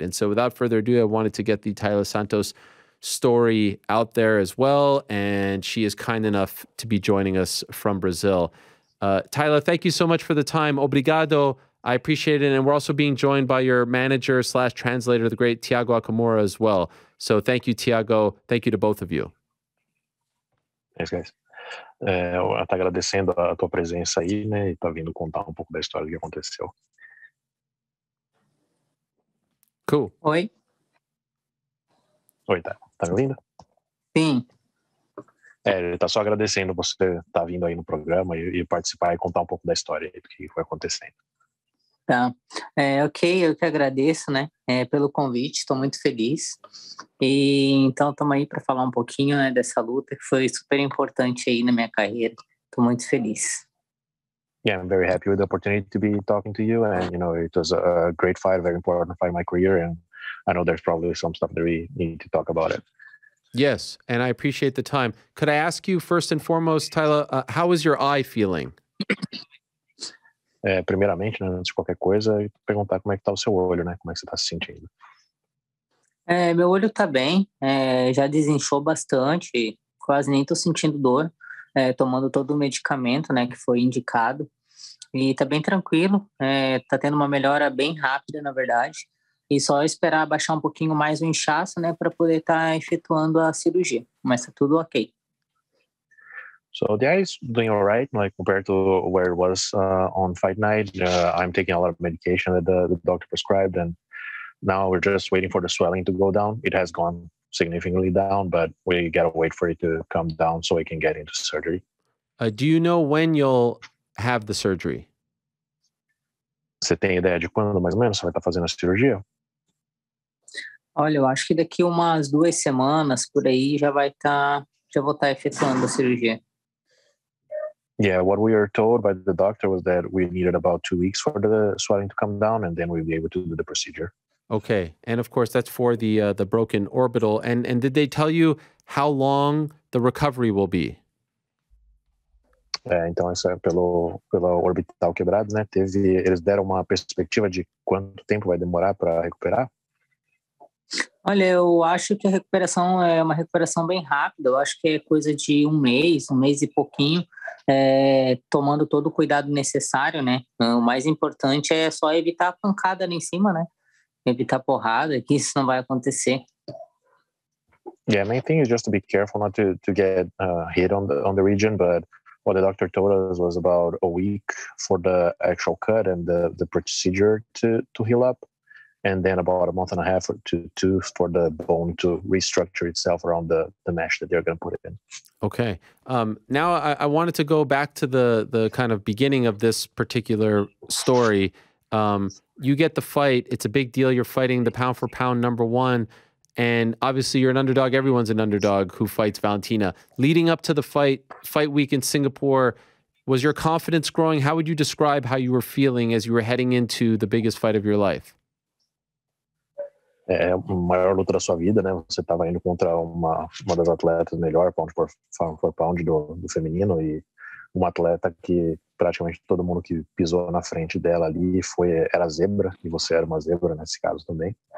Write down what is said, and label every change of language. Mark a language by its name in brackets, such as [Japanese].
[English] And so without further ado, I wanted to get the Taila Santos story out there as well. And she is kind enough to be joining us from Brazil. Taila, thank you so much for the time. [Portuguese] Obrigado. [English] I appreciate it. And we're also being joined by your manager slash translator, the great Tiago Akamura as well. So thank you, Tiago. Thank you to both of you. Thanks, guys. [Portuguese] Ela tá agradecendo a tua presença aí, né, e tá vindo contar um pouco da história que aconteceu. [English] Cool. [Portuguese] Oi. Oi, tá. Tá me ouvindo? Sim. Ele tá só agradecendo você tá vindo aí no programa e participar e contar um pouco da história aí do que foi acontecendo. Tá. Ok, eu que agradeço, né, pelo convite, tô muito feliz. E então estamos aí para falar um pouquinho, né, dessa luta que foi super importante aí na minha carreira. Tô muito feliz. [English] Yeah, I'm very happy with the opportunity to be talking to you, and you know, it was a great fight, very important fight in my career, and I know there's probably some stuff that we need to talk about it. Yes, and I appreciate the time. Could I ask you first and foremost, Taila, how is your eye feeling? [Portuguese] Primeiramente, né, antes de qualquer coisa, perguntar como é que tá o seu olho, né? Como é que você tá se sentindo? Meu olho tá bem, já desinchou bastante, quase nem tô sentindo dor, tomando todo o medicamento, né, que foi indicado. E tá bem tranquilo, tá tendo uma melhora bem rápida, na verdade. E só esperar baixar um pouquinho mais o inchaço, né, para poder estar efetuando a cirurgia. Mas tá tudo ok. [English] So the eye is doing all right, like compared to where it was on fight night. I'm taking a lot of medication that the doctor prescribed, and now we're just waiting for the swelling to go down. It has gone significantly down, but we gotta wait for it to come down so we can get into surgery. Do you know when you'll have the surgery? [Portuguese] Você tem ideia de quando, mais ou menos, você vai estar fazendo a cirurgia? Olha, eu acho que daqui umas 2 semanas, por aí, já vou estar efetuando a cirurgia. [English] Yeah, what we were told by the doctor was that we needed about 2 weeks for the swelling to come down, and then we'd be able to do the procedure. Okay, and of course, that's for the broken orbital. And did they tell you how long the recovery will be? [Portuguese] Então, isso é pelo orbital quebrado, né? Eles deram uma perspectiva de quanto tempo vai demorar para recuperar? Olha, eu acho que a recuperação é uma recuperação bem rápida. Eu acho que é coisa de um mês e pouquinho, tomando todo o cuidado necessário, né? O mais importante é só evitar a pancada ali em cima, né? Evitar porrada, que isso não vai acontecer. [English] Yeah, main thing is just to be careful not to get hit on the region, but what the doctor told us was about a week for the actual cut and the procedure to heal up. And then about a month and a half to for the bone to restructure itself around the mesh that they're going to put it in. Okay. Now I wanted to go back to the kind of beginning of this particular story. You get the fight. It's a big deal. You're fighting the pound for pound number one. And obviously you're an underdog. Everyone's an underdog who fights Valentina. Leading up to the fight week in Singapore, was your confidence growing? How would you describe how you were feeling as you were heading into the biggest fight of your life? [Portuguese] É a maior luta da sua vida, né? Você estava indo contra uma das atletas melhor, [English] pound for pound [Portuguese] do feminino, e uma atleta que praticamente todo mundo que pisou na frente dela ali era zebra, e você era uma zebra nesse caso também.